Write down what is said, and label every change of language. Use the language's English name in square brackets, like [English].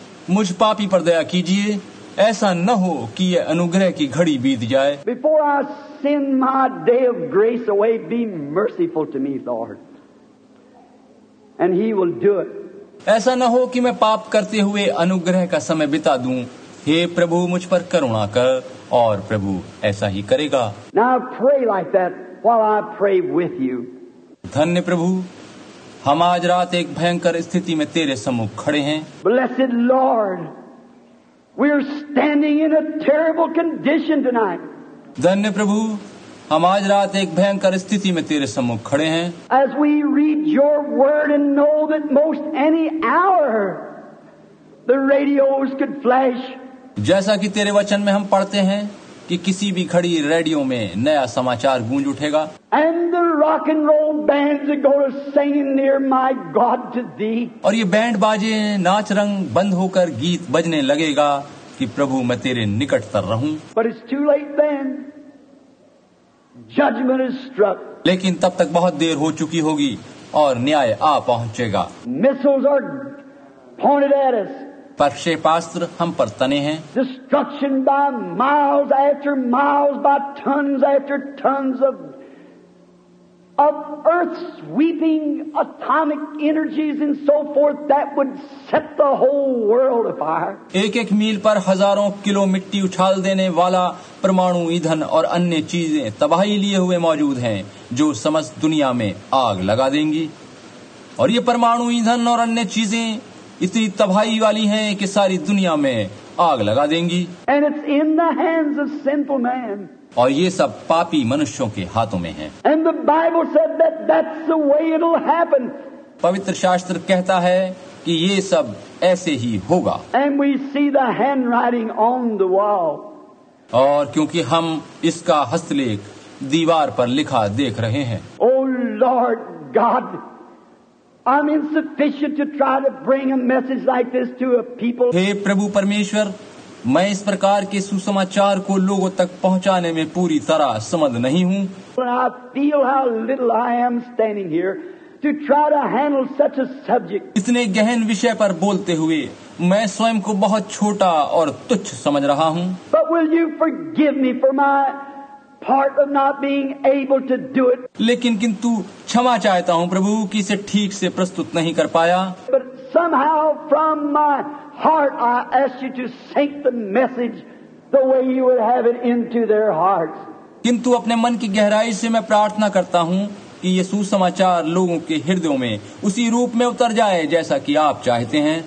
[Hindi] मुझ पापी पर दया कीजिए, ऐसा न हो कि यह अनुग्रह की घड़ी बीत जाए। [English] Before I send my day of grace away, be merciful to me, Lord, and He will do it. [Hindi] ऐसा न हो कि मैं पाप करते हुए अनुग्रह का समय बिता दूं। हे प्रभु मुझ पर करुणा कर, और प्रभु ऐसा ही करेगा। [English] Now pray like that while I pray with you. [Hindi] धन्य प्रभु, हम आज रात एक भयंकर स्थिति में तेरे सम्मुख खड़े हैं। [English] Blessed Lord, we are standing in a terrible condition tonight. [Hindi] धन्य प्रभु, हम आज रात एक भयंकर स्थिति में तेरे सम्मुख खड़े हैं. [English] As we read your word and know that most any hour the radios could flash. [Hindi] जैसा कि तेरे वचन में हम पढ़ते हैं कि किसी भी घड़ी रेडियो में नया समाचार गूंज उठेगा. [English] And the rock and roll bands are going to sing near my God to thee. [Hindi] और ये बैंड बाजे नाच रंग बंद होकर गीत बजने लगेगा कि प्रभु मैं तेरे निकटतर रहूं. [English] But it's too late then. Judgment is struck. [Hindi] लेकिन तब तक बहुत देर हो चुकी होगी और न्याय आ पहुंचेगा. [English] Missiles are pointed at us. [Hindi] प्रक्षेपास्त्र हम पर तने हैं. [English] Destruction by miles after miles, by tons after tons of earth sweeping atomic energies and so forth that would set the whole world afire. [Hindi] एक एक मील पर हजारों किलो मिट्टी उछाल देने वाला परमाणु ईंधन और अन्य चीजें तबाही लिए हुए मौजूद हैं जो समस्त दुनिया में आग लगा देंगी. और ये परमाणु ईंधन और अन्य चीजें इतनी तबाही वाली हैं कि सारी दुनिया में आग लगा देंगी. [English] And it's in the hands of sinful man. [Hindi] और ये सब पापी मनुष्यों के हाथों में है. [English] And the Bible said that that's the way it'll happen. [Hindi] पवित्र शास्त्र कहता है कि ये सब ऐसे ही होगा. [English] And we see the handwriting on the wall. [Hindi] और क्योंकि हम इसका हस्तलेख दीवार पर लिखा देख रहे हैं. [English] Oh Lord God, I'm insufficient to try to bring a message like this to a people. [Hindi] हे प्रभु परमेश्वर, मैं इस प्रकार के सुसमाचार को लोगों तक पहुंचाने में पूरी तरह समर्थ नहीं हूं. [English] But I feel how little I am standing here to try to handle such a subject. [Hindi] इतने गहन विषय पर बोलते हुए मैं स्वयं को बहुत छोटा और तुच्छ समझ रहा हूं. [English] But will you forgive me for my part of not being able to do it. [Hindi] लेकिन किंतु क्षमा चाहता हूँ प्रभु कि इसे ठीक से प्रस्तुत नहीं कर पाया. [English] But somehow from my heart I ask you to sink the message the way you would have it into their hearts. [Hindi] किंतु अपने मन की गहराई से मैं प्रार्थना करता हूँ कि ये सुसमाचार लोगों के हृदयों में उसी रूप में उतर जाए जैसा कि आप चाहते हैं.